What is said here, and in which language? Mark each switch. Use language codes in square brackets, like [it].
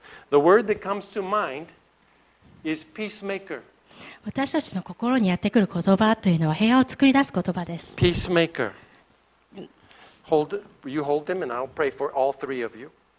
[en] The word that comes to mind is peacemaker. [ja] 私たちの心にやってくる言葉というのは平和を作り出す言葉です。 [en] Peacemaker. Hold, you hold them and I'll pray for all three of you.